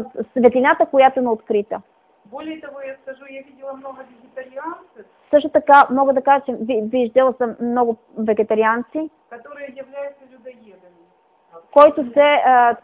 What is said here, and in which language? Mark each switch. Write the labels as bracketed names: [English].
[Bulgarian] Светлината, която им е открыта. [Russian] Более того, я скажу, я видела много вегетарианцев. [Bulgarian] Също така мога да кажа, че виждала съм много вегетарианци, [Russian] которые являются людоедами.